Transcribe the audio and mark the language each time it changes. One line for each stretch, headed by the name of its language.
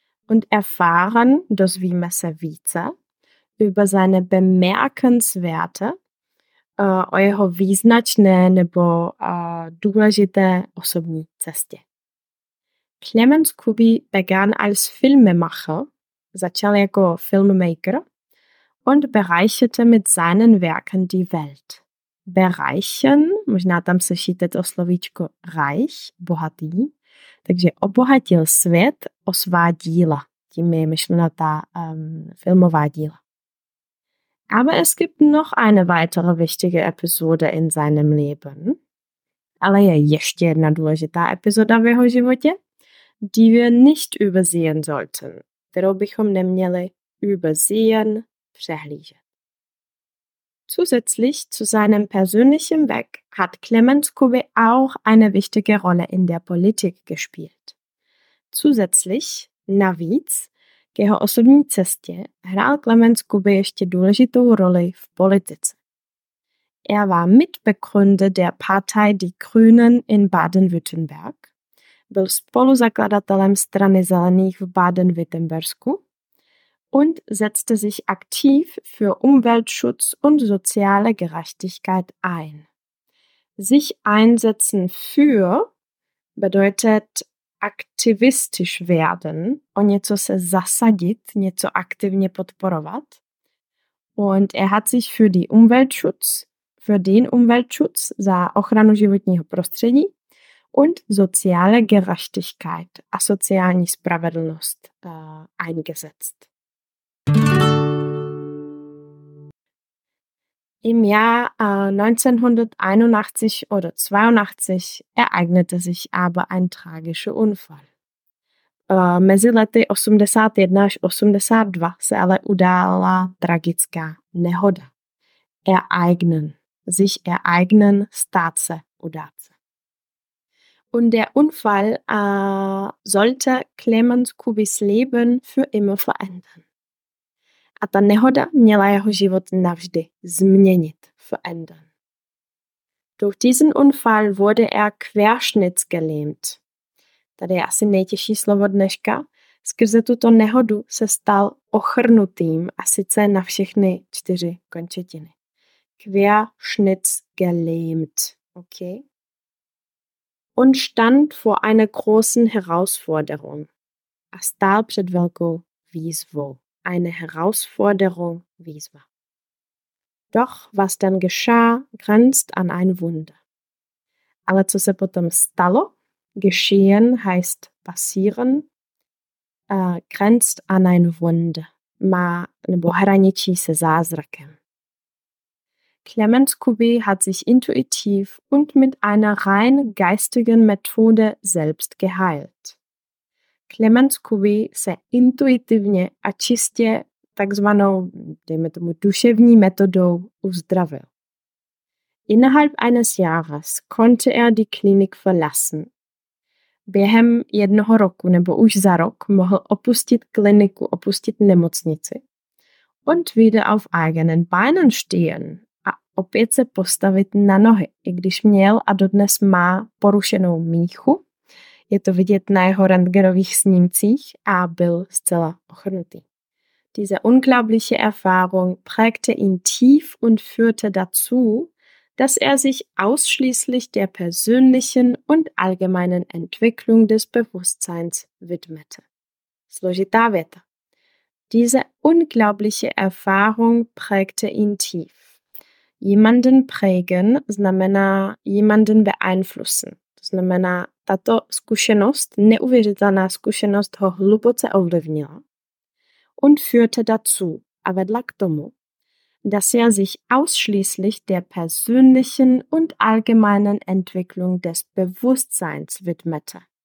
German: Und erfahren,
Czech: dozvíme se více,
German: über seine bemerkenswerte,
Czech: o jeho význačné nebo důležité osobní cestě.
German: Clemens Kuby begann als Filmemacher,
Czech: začal jako filmmaker,
German: und bereicherte mit seinen Werken die Welt.
Czech: Bereichen, možná tam slyšíte to slovíčko reich, bohatý, takže obohatil svět o svá díla, tím je myšlena ta filmová díla.
German: Aber es gibt noch eine weitere wichtige Episode in seinem Leben.
Czech: Ale je ještě jedna důležitá epizoda v jeho životě,
German: die wir nicht übersehen sollten,
Czech: kterou bychom neměli übersehen, přehlížet.
German: Zusätzlich zu seinem persönlichen Weg hat Clemens Kubi auch eine wichtige Rolle in der Politik gespielt.
Czech: Zusätzlich, navíc, k jeho osobní cestě hrál Clemens Kubi ještě důležitou roli v politice.
German: Er war Mitbegründer der Partei Die Grünen in Baden-Württemberg,
Czech: byl spoluzakladatelem strany Zelených v Baden-Württembersku
German: und setzte sich aktiv für Umweltschutz und soziale Gerechtigkeit ein. Sich einsetzen für bedeutet aktivistisch werden,
Czech: o něco se zasadit, něco aktivně podporovat.
German: Und er hat sich für die Umweltschutz, für den Umweltschutz,
Czech: za ochranu životního prostředí
German: und soziale Gerechtigkeit,
Czech: a sociální spravedlnost,
German: eingesetzt. Im Jahr 1981 oder 82 ereignete sich aber ein tragischer Unfall.
Czech: Mezi lety 81 až 82 se ale udála tragická nehoda. Ereignen, sich ereignen, stát se, udát se.
German: Und der Unfall sollte Clemens Kubis Leben für immer verändern.
Czech: A ta nehoda měla jeho život navždy změnit, verändern.
German: Durch diesen Unfall wurde er querschnittsgelähmt.
Czech: Tady je asi nejtěžší slovo dneška. Skrze tuto nehodu se stal ochrnutým, a sice na všechny čtyři končetiny.
German: Querschnittsgelähmt. Okay. Und stand vor einer großen Herausforderung.
Czech: A stál před velkou výzvou.
German: Eine Herausforderung, wie es war. Doch was dann geschah, grenzt an ein Wunder.
Czech: Ale co se potom stalo,
German: geschehen heißt passieren, grenzt an ein Wunder,
Czech: má nebo hraničí se zázrakem.
German: Clemens Kubi hat sich intuitiv und mit einer rein geistigen Methode selbst geheilt.
Czech: Clemens Kubi se intuitivně a čistě takzvanou, dejme tomu, duševní metodou uzdravil.
German: Innerhalb eines Jahres konnte er die Klinik verlassen.
Czech: Během jednoho roku nebo už za rok mohl opustit kliniku, opustit nemocnici
German: und wieder auf eigenen Beinen stehen
Czech: a opět se postavit na nohy, i když měl a dodnes má porušenou míchu. Je to vidět na jeho rentgenových snímcích a byl zcela ochrnutý.
German: Diese unglaubliche Erfahrung prägte ihn tief und führte dazu, dass er sich ausschließlich der persönlichen und allgemeinen Entwicklung des Bewusstseins widmete.
Czech: Složitá věta.
German: Diese unglaubliche Erfahrung prägte ihn tief. Jemanden prägen znamená jemanden beeinflussen.
Czech: Znamená, tato zkušenost, neuvěřitelná zkušenost, ho hluboce ovlivnila.
German: Und führte dazu,
Czech: a vedla k tomu,
German: dass er sich ausschließlich der persönlichen und allgemeinen Entwicklung des Bewusstseins widmete.